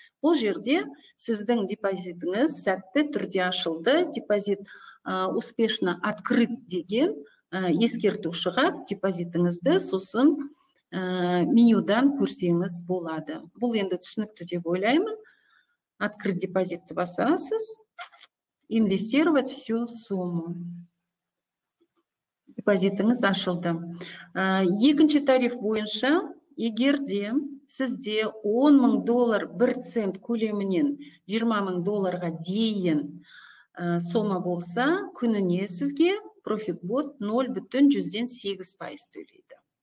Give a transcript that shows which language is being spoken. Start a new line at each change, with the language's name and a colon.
Kazakh: Бұл жерде сіздің депозитіңіз сәтті түрде ашылды.
Russian: Депозит успешно открыт
Kazakh: деген ескерту шығады, депозитіңізді сосын менюдан көрсеңіз болады. Бұл енді түсінікті деп ойлаймын. Открыт депозитті басасыз,
Russian: инвестировать всю сумму.
Kazakh: Депозитіңіз ашылды. Екінші тариф бойынша, егер де сізде $10,000 бір цент көлемінен $20,000 дейін сома болса, күніне сізге ProfitBot 0,108% төлейді.